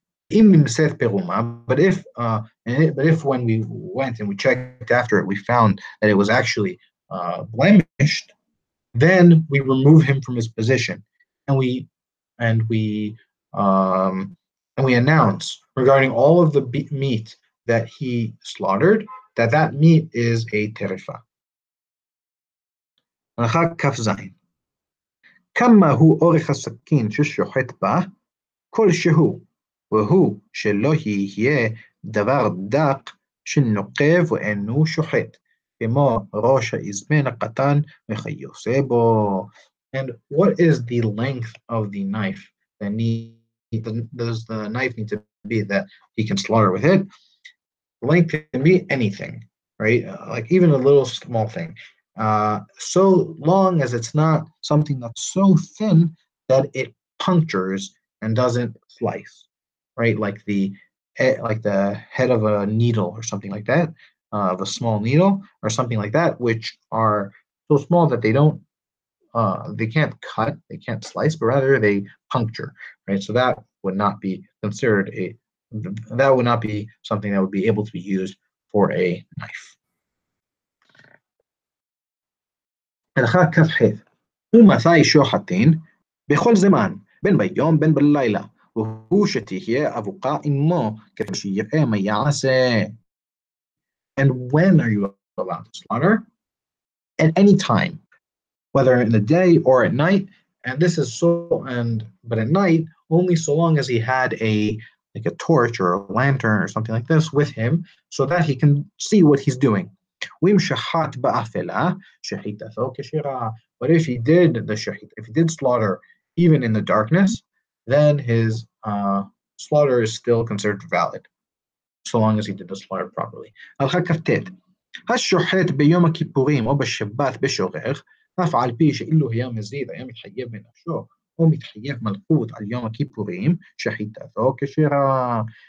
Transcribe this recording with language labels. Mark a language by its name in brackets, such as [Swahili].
[English] But if when we went and we checked after it, we found that it was actually blemished, then we remove him from his position, and we announce regarding all of the meat that he slaughtered that meat is a terifa. [Hebrew] כמה הוא אורך הסכין ששוחט בה, כלשהו, והוא שלא יהיה דבר דק שנוקב ואינו שוחט, כמו ראש האזמן הקטן וכיוצא בו. [English] And what is the length of the knife? Does the knife need to be that he can slaughter with it? Length can be anything, right? Like even a little small thing. So long as it's not something that's so thin that it punctures and doesn't slice, right? Like the head of a needle or something like that, of a small needle or something like that, which are so small that they can't slice, but rather they puncture, right? So that would not be considered that would not be something that would be able to be used for a knife. [Hebrew] הלכה כ"ח, ומתי שוחטין? בכל זמן, בין ביום בין בלילה, והוא שתהיה אבוקה עמו, כדי שיראה מה יעשה. [English] And when are you allowed to slaughter? At any time, whether in the day or at night, and this is so, but at night, only so long as he had a torch or a lantern or something like this with him, so that he can see what he's doing. [Hebrew] ואם שחט באפלה, שחיטתו כשרה. [English] But if he did the shahit, if he did slaughter even in the darkness, then his slaughter is still considered valid, so long as he did the slaughter properly. [Hebrew] הלכה כ"ט, השוחט ביום הכיפורים או בשבת בשורך, אף על פי שאילו היה מזיד, היה מתחייב בנפשו, או מתחייב מלכות על יום הכיפורים, שחיטתו כשרה.